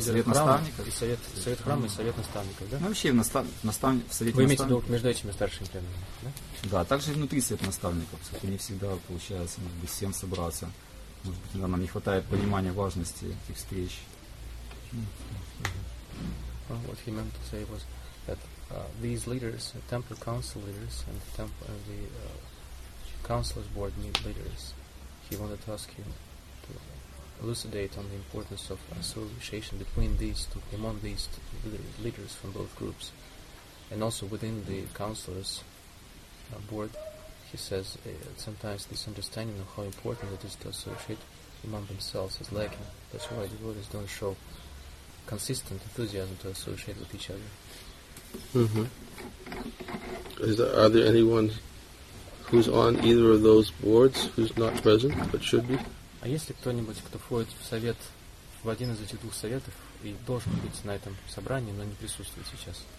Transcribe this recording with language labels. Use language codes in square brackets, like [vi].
[ru] совет храма и совет наставников, да? Ну, вообще, в совете наставников... Вы имеете в виду между этими старшими членами, да? Да, также и внутри совета наставников, поскольку не всегда получается, может быть, всем собраться. Может быть, нам не хватает понимания важности этих встреч. [en] What he meant to say was that these leaders, temple council leaders, and the temple, and the counselors board need leaders. He wanted to ask you to elucidate on the importance of association between these two, among these two leaders from both groups, and also within the counselors board. He says sometimes this understanding of how important it is to associate among themselves is lacking. That's why the devotees don't show consistent enthusiasm to associate with each other. Mm-hmm. Are there anyone who's on either of those boards who's not present but should be? [ru] А есть ли кто-нибудь, кто входит в совет, в один из этих двух советов и должен быть на этом собрании, но не присутствует сейчас?